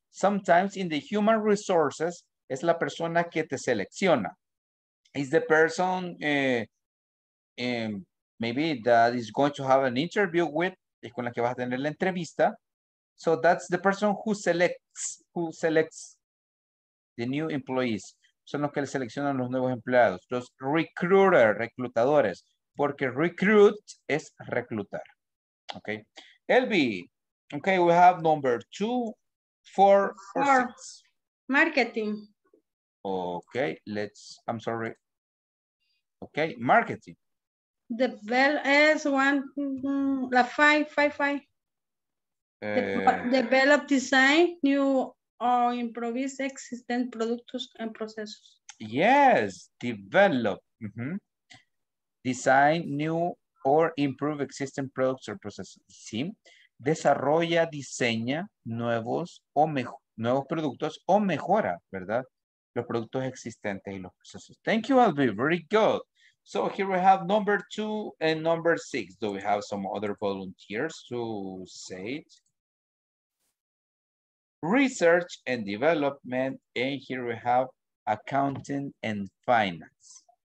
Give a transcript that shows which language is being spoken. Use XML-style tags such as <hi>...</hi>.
<en>Sometimes in the human resources</en> <es>es la persona que te selecciona.</es> <en>Is the person maybe that is going to have an interview with,</en> <es>es con la que vas a tener la entrevista.</es> <en>So that's the person who selects the new employees.</en> <es>Son los que le seleccionan los nuevos empleados. Los recruiter, reclutadores. Porque recruit es reclutar. Ok. Elvi.</es> <en>Ok, we have number two, four, or four. Six. Marketing. Ok, I'm sorry. Ok, marketing. The bell is one, la five. Develop design, new or improvise existent productos and processes. Yes, develop. Mm-hmm. Design new or improve existing products or processes. Sí.</en> <es>Desarrolla, diseña nuevos o nuevos productos o mejora, ¿verdad? Los productos existentes y los procesos.</es> <en>Thank you,</en> <es>Albi.</es> <en>Very good. So here we have number two and number six. Do we have some other volunteers to say it? Research and development, and here we have accounting and finance.</en>